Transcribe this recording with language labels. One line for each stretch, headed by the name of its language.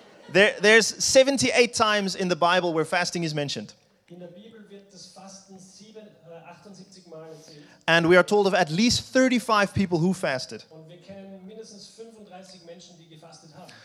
English: There's 78 times in the Bible where fasting is mentioned.
German: In der Bibel wird das Fasten 78 Mal erzählt.
English: And we are told of at least 35 people who fasted.
German: Und wir kennen mindestens 35 Menschen, die gefastet haben.